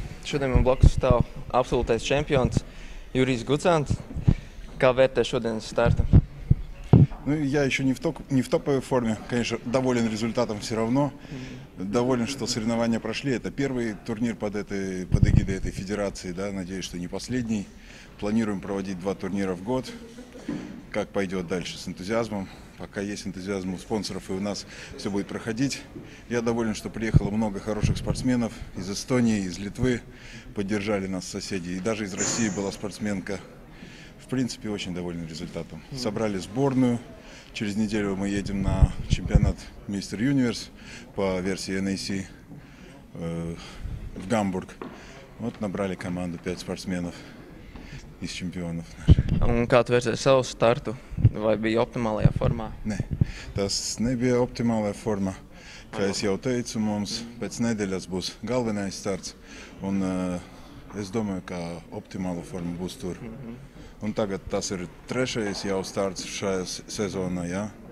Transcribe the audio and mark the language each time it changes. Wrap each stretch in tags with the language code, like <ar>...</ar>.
<lv>Šodien man blakus stāv absolūtais čempions Jurijs Gucāns. Kā vērtē šodienas startu?</lv> <ru>Ну я ещё не в топовой форме, конечно, доволен результатом всё равно. Доволен, что соревнования прошли. Это первый турнир под эгидой этой федерации, да, надеюсь, что не последний. Планируем проводить два турнира в год. Как пойдёт дальше с энтузиазмом? Пока есть энтузиазм у спонсоров, и у нас всё будет проходить. Я доволен, что приехало много хороших спортсменов из Эстонии, из Литвы, поддержали нас соседи, и даже из России была спортсменка. В принципе, очень доволен результатом. Собрали сборную. Через неделю мы едем на чемпионат Мистер Юниверс по версии NAC в Гамбург. Вот набрали команду 5 спортсменов из чемпионов.</ru> <lv>Kā tu vērtē savu startu? Vai bija optimālajā formā? Nē, tas nebija optimālajā formā. Kā es jau teicu, mums pēc nedēļas būs galvenais starts. Un es domāju, ka optimāla forma būs tur. Un tagad tas ir trešais jau starts šajā sezonā, ja?</lv>